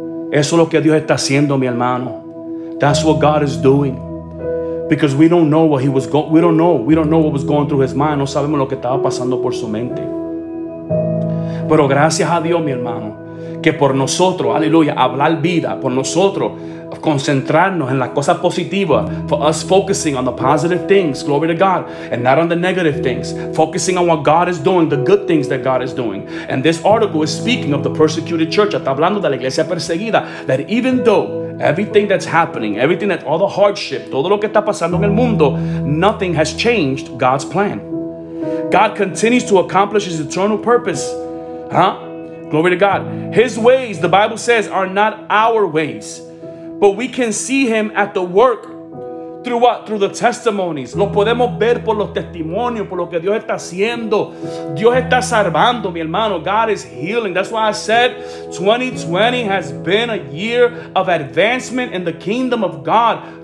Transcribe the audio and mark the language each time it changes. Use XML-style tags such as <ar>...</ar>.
<es>Eso es lo que Dios está haciendo, mi hermano.</es> <en>That's what God is doing. Because we don't know what he was going. We don't know what was going through his mind.</en> <es>No sabemos lo que estaba pasando por su mente. Pero gracias a Dios, mi hermano, que por nosotros, aleluya, hablar vida, por nosotros concentrarnos en la cosa positiva,</es> <en>for us focusing on the positive things, glory to God, and not on the negative things, focusing on what God is doing, the good things that God is doing. And this article is speaking of the persecuted church.</en> <es>Está hablando de la iglesia perseguida,</es> <en>that even though everything that's happening, everything that, all the hardship,</en> <es>todo lo que está pasando en el mundo,</es> <en>nothing has changed God's plan. God continues to accomplish his eternal purpose. Huh? Glory to God. His ways, the Bible says, are not our ways, but we can see him at the work through what? Through the testimonies.</en> <es>Lo podemos ver por los testimonios, por lo que Dios está haciendo. Dios está salvando, mi hermano.</es> <en>God is healing. That's why I said 2020 has been a year of advancement in the kingdom of God.</en>